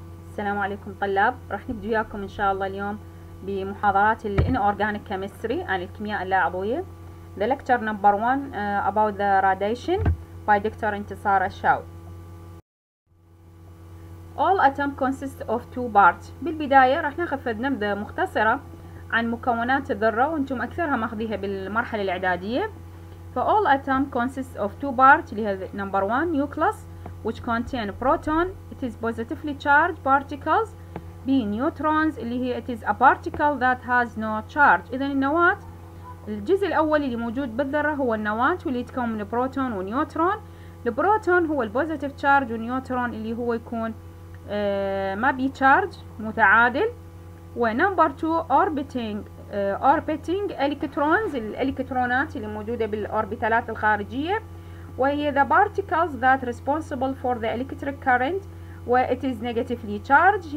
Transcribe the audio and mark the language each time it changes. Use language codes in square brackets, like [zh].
[ar] السلام عليكم طلاب، راح نبدأ وياكم إن شاء الله اليوم بمحاضرات الـ Inorganic Chemistry عن الكيمياء اللاعضوية. [en] The lecture number one about the radiation by Dr. [ar] انتصار الشاو. [en] All atoms consist of two parts. [ar] بالبداية راح ناخذ نبذة مختصرة عن مكونات الذرة، وانتم أكثرها ماخذيها بالمرحلة الإعدادية. [en] فall atoms consist of two parts. [ar] اللي هي [en] number one nucleus which contain proton. It is positively charged particles. B neutrons. [ar] اللي هي [en] it is a particle that has no charge. [ar] إذن النواة، الجزء الأول اللي موجود بالذرة هو النواة، واللي يتكون من بروتون ونيوترون. البروتون هو البوزيتيف تشارج، والنيوترون اللي هو يكون ما بي تشارج، متعادل. [en] ونمبر 2 orbiting electrons, [ar] الالكترونات اللي موجوده بالاوربيتالات الخارجيه، وهي [en] The particles that responsible for the electric current what is negatively charge.